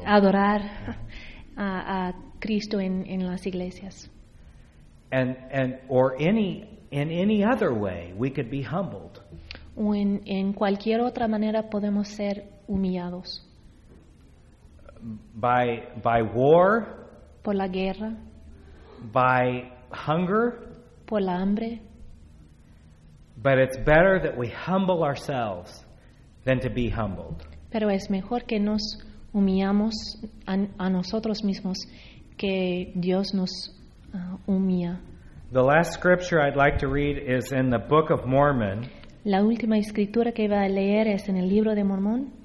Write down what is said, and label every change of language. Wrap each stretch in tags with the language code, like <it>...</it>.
<es>adorar a Cristo en las iglesias.</es> <en>And or in any other way we could be humbled.</en> <es>O en cualquier otra manera podemos ser humillados.</es> <en>By war,</en> <es>por la guerra,</es> <en>by hunger,</en> <es>por la hambre.</es> <en>But it's better that we humble ourselves than to be humbled.</en> <es>Pero es mejor que nos humillamos a nosotros mismos que Dios nos humilla.</es> <en>The last scripture I'd like to read is in the Book of Mormon.</en> <es>La última escritura que iba a leer es en el libro de Mormón.</es>